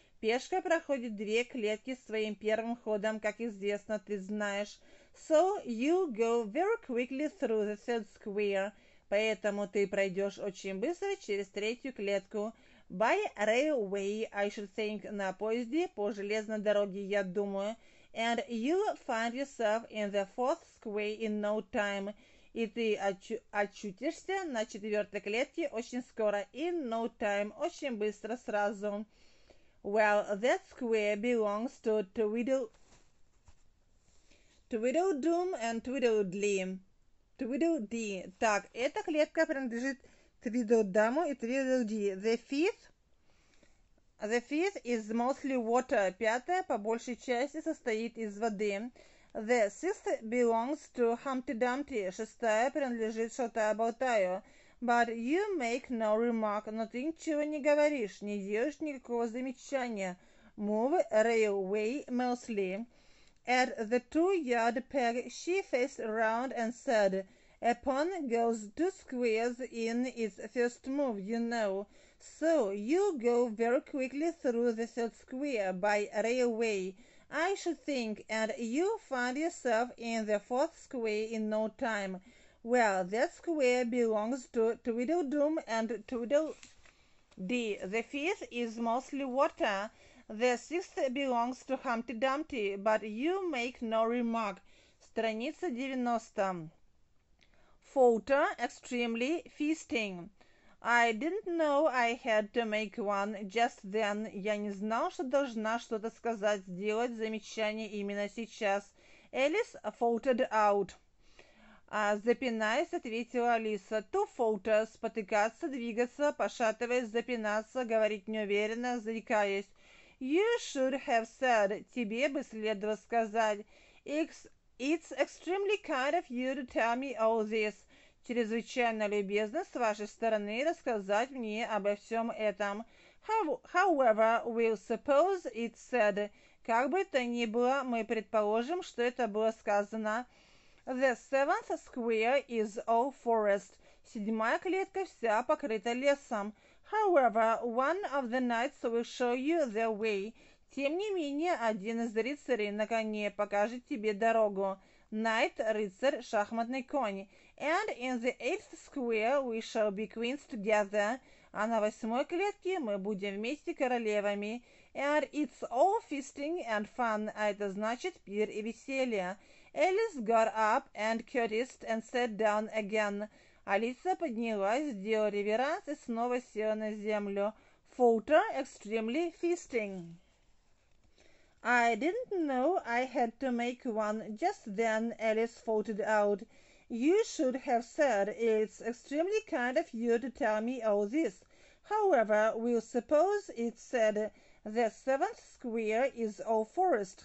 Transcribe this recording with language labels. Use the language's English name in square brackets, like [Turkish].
[Russian] «Пешка проходит 2 клетки своим первым ходом, как известно, ты знаешь». [English] «So you go very quickly through the 3rd square». [Russian] «Поэтому ты пройдешь очень быстро через 3-ю клетку». [English] «By railway, I should think, [Russian] на поезде, по железной дороге, я думаю». [English] «And you'll find yourself in the 4th square in no time». [Russian] «И ты очутишься на 4-й клетке очень скоро». [English] «In no time, [Russian] очень быстро, сразу». [English] «Well, that square belongs to Tweedledum and Tweedledee». [Russian] «Так, эта клетка принадлежит Tweedledum и Tweedledee». [English] The fifth is mostly water. [Russian] Пятая по большей части состоит из воды. [English] The sixth belongs to Humpty Dumpty. [Russian] Шестая принадлежит Шалтай-Болтаю. [English] But you make no remark. [Russian] Но ты ничего не говоришь, не делаешь никакого замечания. [English] Move railway mostly. At the 2-yard peg, she faced around and said, A pawn goes 2 squares in its first move, you know. So you go very quickly through the 3rd square by railway, I should think, and you find yourself in the 4th square in no time. Well, that square belongs to Tweedledum and Tweedledee. The 5th is mostly water. The 6th belongs to Humpty Dumpty, but you make no remark. [Russian] Страница 90. [English] Falter, extremely feasting. I didn't know I had to make one just then. [Russian] Я не знал, что должна что-то сказать, сделать замечание именно сейчас. [English] Alice faltered out. [Russian] Запинаясь, ответила Алиса. [English] To falter, [Russian] спотыкаться, двигаться, пошатываясь, запинаться, говорить неуверенно, заикаясь. [English] You should have said, [Russian] тебе бы следовало сказать. [English] It's extremely kind of you to tell me all this. [Russian] Чрезвычайно любезно с вашей стороны рассказать мне обо всем этом. [English] However, we'll suppose it said. [Russian] Как бы то ни было, мы предположим, что это было сказано. [English] The 7th square is all forest. [Russian] 7-я клетка вся покрыта лесом. [English] However, one of the knights will show you the way. [Russian] Тем не менее, один из рыцарей на коне покажет тебе дорогу. Knight, рыцарь, шахматный конь. [English] And in the 8th square we shall be queens together. [Russian] А на 8-й клетке мы будем вместе королевами. [English] And it's all feasting and fun. [Russian] А это значит пир и веселье. [English] Alice got up and curtsied and sat down again. [Russian] Алиса поднялась, сделала реверанс и снова села на землю. [English] Falter, extremely feasting. I didn't know I had to make one just then, Alice faltered out. You should have said it's extremely kind of you to tell me all this. However, we'll suppose it said the 7th square is all forest.